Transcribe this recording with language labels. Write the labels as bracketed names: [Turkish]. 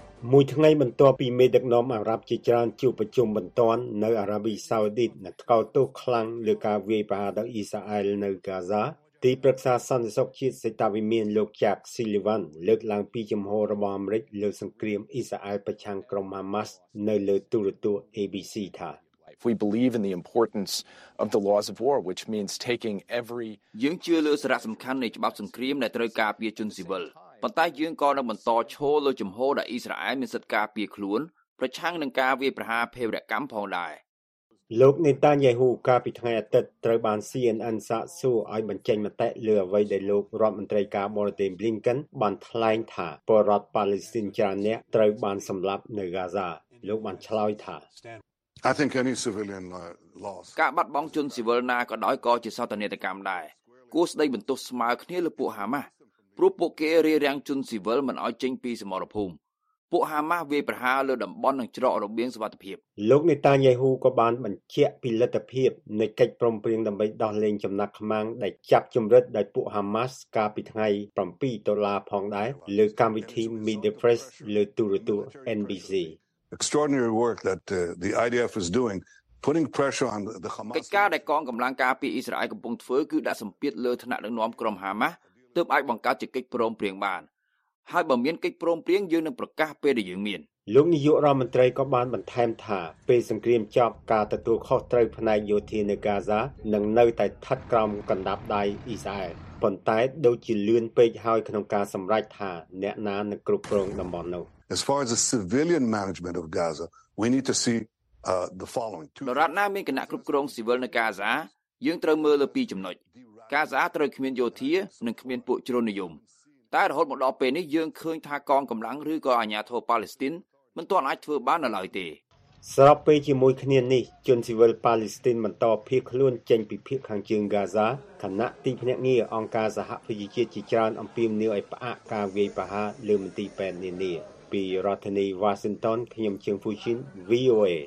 [Khmer] មួយថ្ងៃបន្ទាប់ពីមេដឹកនាំអារ៉ាប់ជាច្រើនជួបប្រជុំបន្ទាន់នៅអារ៉ាប៊ីសាអូឌីតនៅថ្កោលទោសខ្លាំងលើការវាយប្រហារដល់អ៊ីស្រាអែលនៅហ្គាហ្សាទីប្រឹក្សាសន្តិសុខជាតិសេតាវិមានលោក Jack Sullivan លើកឡើងពីជំហររបស់អាមេរិកលើសង្គ្រាមអ៊ីស្រាអែលប្រឆាំងក្រុមហាម៉ាស់នៅលើទូរទស្សន៍ ABC ថា [English] If we believe in the importance of the laws of war which means taking every [Khmer] យើងជឿលើសារៈសំខាន់នៃច្បាប់សង្គ្រាមដែលត្រូវការពារជនស៊ីវិលប៉ុន្តែយើងក៏នៅបន្តឈរលើជំហរដែលអ៊ីស្រាអែលមានសិទ្ធិការពារខ្លួនប្រឆាំងនឹងការវាយប្រហារភេរវកម្មផងដែរ លោក Netanyahu កាលពីថ្ងៃអាទិត្យត្រូវបាន CNN សាកសួរឲ្យបញ្ចេញមតិលើអ្វីដែលលោករដ្ឋមន្ត្រីការបរទេស Blinken បានថ្លែងថាពលរដ្ឋប៉ាឡេស្ទីនច្រើននាក់ត្រូវបានសម្លាប់នៅហ្គាហ្សាលោកបានឆ្លើយថា [English] I think any civilian loss [Khmer] ការបាត់បង់ជនស៊ីវិលណាក៏ដោយក៏ជាសោកនាដកម្មដែរគួរស្ដីបន្ទោសស្មើគ្នាលើពួកហាម៉ាស់ព្រោះពួកគេរារាំងជនស៊ីវិលមិនឲ្យចេញពីសមរភូមិពួកហាម៉ាស់វាយប្រហារលើតំបន់នឹងច្រករបៀងសវត្ថិភាព លោកនេតាញ៉ៃហ៊ូក៏បានបញ្ជាក់ពីលទ្ធភាពនៃកិច្ចព្រមព្រៀងដើម្បីដោះលែងចំណាប់ខ្មាំងដែលចាប់ជំរិតដោយពួកហាម៉ាស់កាលពីថ្ងៃ7តុលាផងដែរលើកម្មវិធី Media Press លើទូរទស្សន៍ NBC [English] Extraordinary work that the IDF is doing putting pressure on the Hamas [Khmer] កិច្ចការដែលកងកម្លាំងការពារអ៊ីស្រាអែលកំពុងធ្វើគឺដាក់សម្ពាធលើថ្នាក់ដឹកនាំក្រុមហាម៉ាស់ទើបអាចបង្កើតជាកិច្ចព្រមព្រៀងបានហើយបើមានកិច្ចព្រមព្រៀងយើងនឹងប្រកាសពេលដែលយើងមាន លោកនាយករដ្ឋមន្ត្រីក៏បានបន្ថែមថាពេលសង្គ្រាមចប់ការទទួលខុសត្រូវផ្នែកយោធានៅហ្គាហ្សានឹងនៅតែស្ថិតក្រោមកណ្ដាប់ដៃអ៊ីស្រាអែលប៉ុន្តែដូចជាលឿនពេកហើយក្នុងការសម្រេចថាអ្នកណានឹងគ្រប់គ្រងតំបន់នោះ [English] As far as the civilian management of Gaza we need to see the following [Khmer] លោករដ្ឋណាមានគណៈគ្រប់គ្រងស៊ីវិលនៅហ្គាហ្សាយើងត្រូវមើលលើពីចំណុចហ្គាហ្សាត្រូវគ្មានយោធានិងគ្មានពួកជ្រុលនិយមតែរហូតមកដល់ពេលនេះយើងឃើញថាកងកម្លាំងឬក៏អាជ្ញាធរប៉ាឡេស្ទីនមិនទាន់អាចធ្វើបាននៅឡើយទេ ស្របពេលជាមួយគ្នានេះជនស៊ីវិលប៉ាឡេស្ទីនបន្តភៀសខ្លួនចេញពីភាគខាងជើងហ្គាហ្សាខណៈទីភ្នាក់ងារអង្គការសហប្រជាជាតិជាច្រើនអំពាវនាវឱ្យផ្អាកការវាយប្រហារលើមន្ទីរពេទ្យនានាពីរដ្ឋធានីវ៉ាស៊ីនតោនខ្ញុំជឿហ្វូឈិន VOA